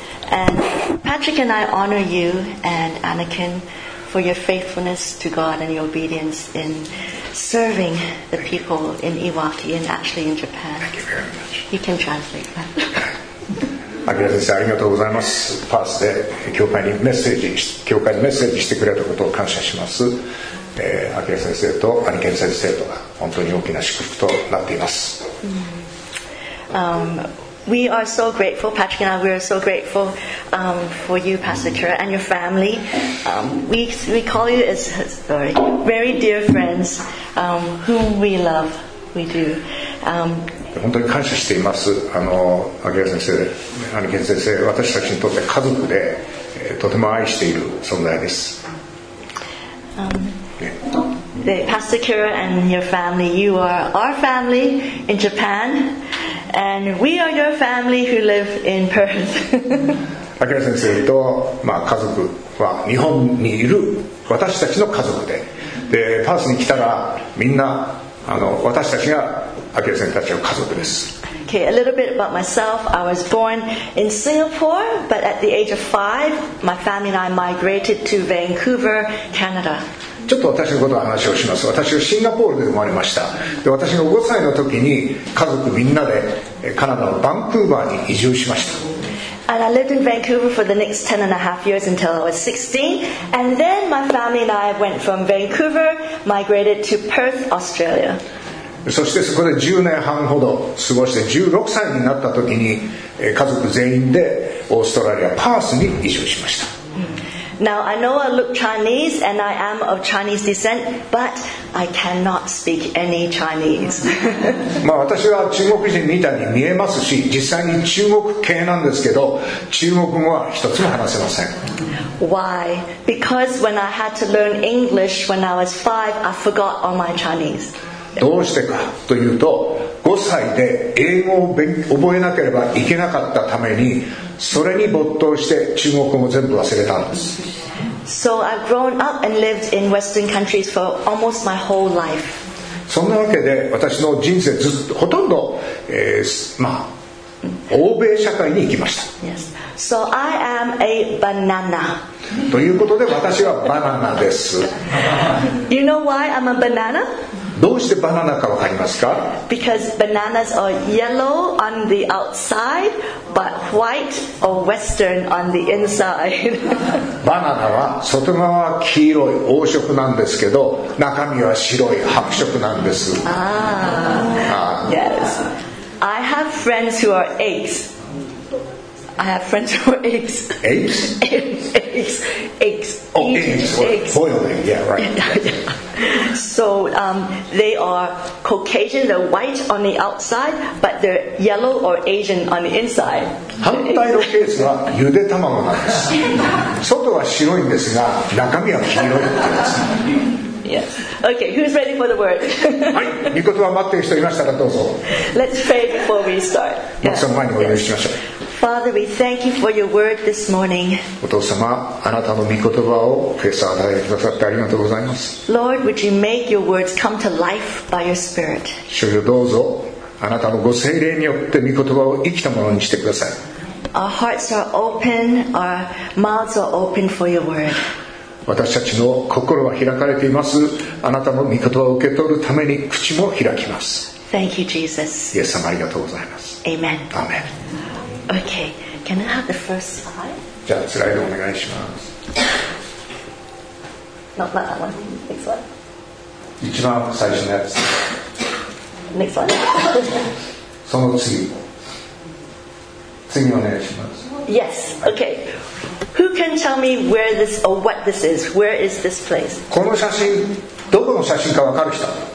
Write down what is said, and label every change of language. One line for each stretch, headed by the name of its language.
English: And Patrick and I honor you and Anakin for your faithfulness to God and your obedience in serving the people in Iwaki and actually in Japan. Thank you very much. You can translate.
Japanese: 明先生、ありがとうございます。パースで教会にメッセージ、教会にメッセージしてくれたことを感謝します。明先生とアニケン先生とは本当に大きな祝福となっています。
English: We are so grateful, Patrick and I, we are so grateful for you, Pastor Chura, and your family. We call you as, sorry, very dear friends, whom we love, we do.
Japanese: 本当に感謝しています。明先生、兄健先生、私たちにとって家族で、とても愛している存在です。
English: Pastor Chura and your family, you are our family in Japan. And we are your family who live in Perth.
Japanese: 明先生と、まあ、家族は日本にいる私たちの家族 でパースに来たらみんな私たちが明先生たちの家族です。
English: Okay, a little bit about myself. I was born in Singapore, but at the age of 5, my family and I migrated to Vancouver, Canada.
Japanese: ちょっと私のことを話をします。私はシンガポールで生まれました。で、私が5歳の時に家族みんなでカナダのバンクーバーに移住しました。
English: And I lived in Vancouver for the next 10 and a half years until I was 16. And then my family and I went from Vancouver, migrated to Perth, Australia.
Japanese: そしてそこで10年半ほど過ごして16歳になった時に家族全員でオーストラリア、パースに移住しました。
English: Now I know I look Chinese and I am of Chinese descent, but I cannot speak any Chinese.
Japanese: まあ私は中国人みたいに見えますし、実際に中国系なんですけど、中国語は一つも話せません。
English: Why? Because when I had to learn English when I was 5, I forgot all my Chinese.
Japanese: どうしてかというと、5歳で英語を覚えなければいけなかったために。それに没頭して中国語も全部忘れたんです。
English: So I've grown up and lived in Western countries for almost my whole life.
Japanese: そんなわけで私の人生ずっとほとんど、まあ、欧米社会に行きました。
English: Yes. So I am a banana.
Japanese: ということで私はバナナです。
English: You know why I'm a banana?
Japanese: どうしてバナナかわかりますか?
English: Because bananas are yellow on the outside, but white or western on the inside.
Japanese: バナナは外側は黄色い黄色なんですけど、中身は白い白色なんです。
English: Yes. I have friends who are apes. I have friends who are apes. Apes? Apes. Oh, apes. Boiling. Yeah, right. So they are Caucasian, they're white on the outside, but they're yellow or Asian on the inside.
Japanese: 反対のケースはゆで卵なんです。外は白いんですが、中身は黄色いんです。
English: Yes. Okay, who's ready for the word?
Japanese: はい、御言葉待っている人いましたらどうぞ。
English: Let's pray before we start. Yes.
Japanese: その前にお祈りしましょう。
English: Father, we thank you for your word this morning.
Japanese: お父様、あなたの御言葉を今朝与えてくださってありがとうございます。
English: Lord, would you make your words come to life by your Spirit?
Japanese: 主よ、どうぞあなたのご聖霊によって御言葉を生きたものにしてください。
English: Our hearts are open, our mouths are open for your word.
Japanese: 私たちの心は開かれています。あなたの御言葉を受け取るために口も開きます。
English: Thank you, Jesus.
Japanese: イエス様、ありがとうございます。
English: Amen. Amen. Okay, can I have the first slide?
Japanese: じゃあスライドお願いします。
English: Not that one. Next one.
Japanese: 一番最初のやつ。
English: Next one.
Japanese: その次。次お願いします。
English: Yes. Okay. Who can tell me where this or what this is? Where is this place?
Japanese: この写真どこの写真かわかる人？